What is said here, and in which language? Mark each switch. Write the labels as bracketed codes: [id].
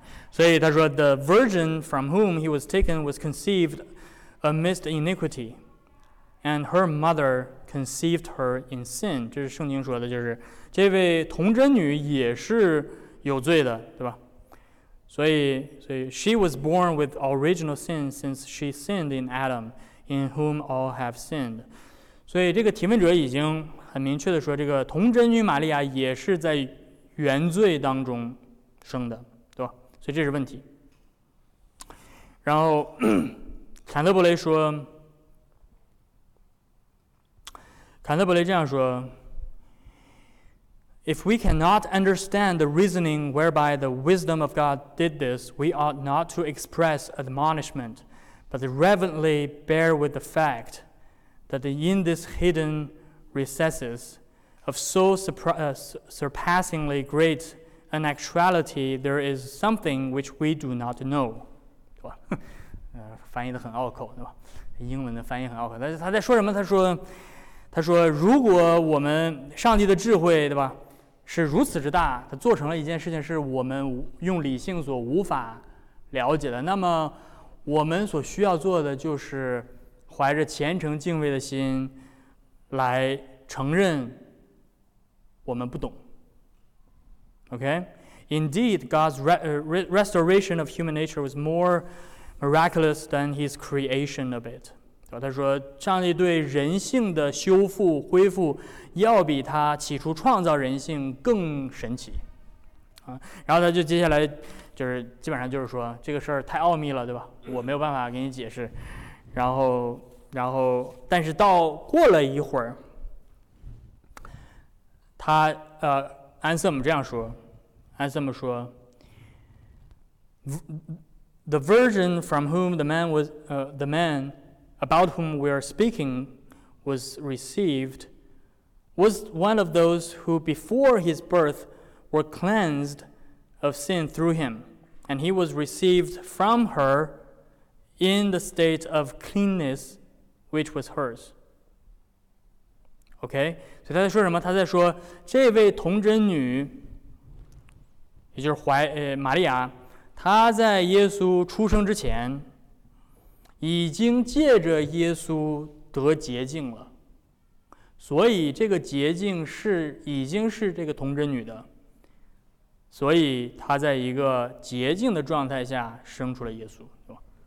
[zh] 所以他说 [en] ，The virgin from whom he was taken was conceived amidst iniquity， and her mother conceived her in sin。 [zh] 这是圣经说的，就是这位童贞女也是有罪的，对吧？所以 [en] she was born with original sin since she sinned in Adam, in whom all have sinned。 [zh] 所以这个提问者已经很明确的说，这个童贞女玛利亚也是在原罪当中生的，对吧？所以这是问题。然后坎特伯雷说，坎特伯雷这样说， [en] If we cannot understand the reasoning whereby the wisdom of God did this, we ought not to express admonishment, but reverently bear with the fact that in this hidden recesses of so surpassingly great an actuality, there is something which we do not know. [zh] 翻译得很拗口，对吧？英文的翻译很拗口。他在说什么？他说，如果我们上帝的智慧，对吧？是如此之大，他做成了一件事情是我们用理性所无法了解的，那么我们所需要做的就是怀着虔诚敬畏的心来承认我们不懂。 [en] OK， Indeed, God's restoration of human nature was more miraculous than his creation of it。 [zh] 他说上帝对人性的修复恢复要比他起初创造人性更神奇，然后他就接下来就是基本上就是说这个事儿太奥秘了，对吧？我没有办法给你解释。然后但是到过了一会儿，他安瑟姆这样说，安瑟姆说 [en] The virgin from whom the man was the man about whom we are speaking was received was one of those who before his birth were cleansed of sin through him, and he was received from her in the state of cleanness which was hers. [zh] OK， 所以他在说什么？他在说这位童贞女，也就是玛利亚，她在耶稣出生之前已经借着耶稣得洁净了，所以这个洁净是已经是这个童贞女的，所以她在一个洁净的状态下生出了耶稣，对吧？